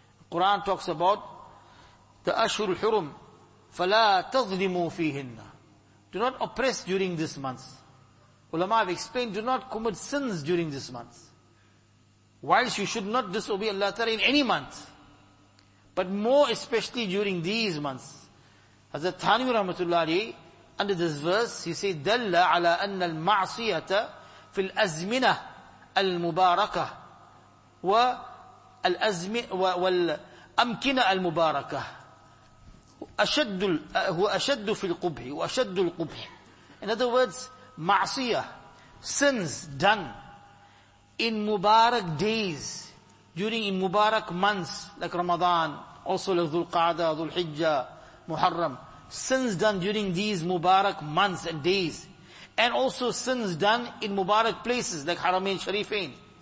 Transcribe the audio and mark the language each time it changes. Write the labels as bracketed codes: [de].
[en] Quran talks about the Ashurul Hurum. [ar] فَلَا تَظْلِمُوا فِيهِنَّ. [en] Do not oppress during this month. Ulama have explained, do not commit sins during this month. Whilst you should not disobey Allah Ta'ala in any month. But more especially during these months. Hazrat Thani Rahmatullah Ali, under this verse, he said, [ar] دَلَّ عَلَىٰ أَنَّ الْمَعْصِيَةَ فِي الْأَزْمِنَةِ الْمُبَارَكَةِ وَالْأَمْكِنَةِ الْمُبَارَكَةِ أَشَدُّ فِي الْقُبْحِ وَأَشَدُّ الْقُبْحِ. [en] In other words, ma'asiyah, sins done in Mubarak days, during in Mubarak months, like Ramadan, also like Dhul Qa'dah, Dhul Hijjah, Muharram, sins done during these Mubarak months and days, and also sins done in Mubarak places like Haramain Sharifain.